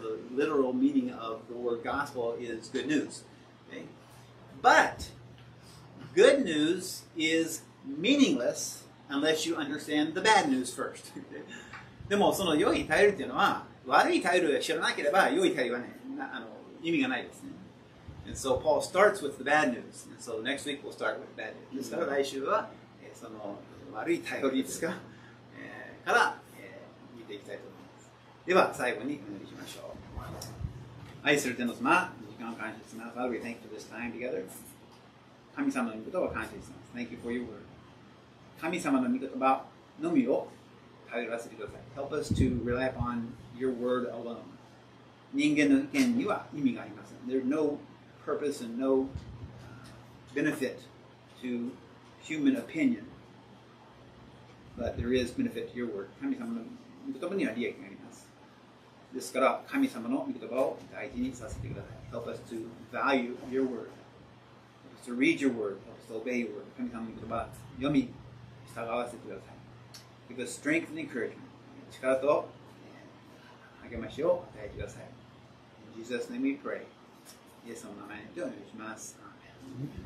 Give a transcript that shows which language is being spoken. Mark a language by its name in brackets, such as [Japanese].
[English] So the literal meaning of the word gospel is good news.、Okay? But, good news is meaningless unless you understand the bad news first. [Japanese] でもその良い頼りというのは、悪い頼りを知らなければ良い頼りは、ね、意味がないですね。 [English] And so Paul starts with the bad news. And so next week we'll start with the bad news. [Japanese] ですから来週は、その悪い頼りですか、から、見ていきたいと思います。では最後にお祈りしましょう。愛する天の様、時間を感謝します。 [English] Father, we thank you for this time together. [Japanese] 神様の御言葉を感謝します。 [English] Thank you for your word. [Japanese] 神様の御言葉のみを頼らせてください。 [English] Help us to rely upon your word alone. [Japanese] 人間の意見には意味がありません。 [English] There's no... purpose and no benefit to human opinion, but there is benefit to your word. [Japanese] 神様の御言葉には利益があります。ですから神様の御言葉を大事にさせてください。 [English] Help us to value your word. Help us to read your word. Help us to obey your word. [Japanese] 神様の御言葉読み従わせてください。 [English] Give us strength and encouragement. [Japanese] 力と励ましを与えてください。 [English] In Jesus' name we pray.Yes, I'm not going to do it.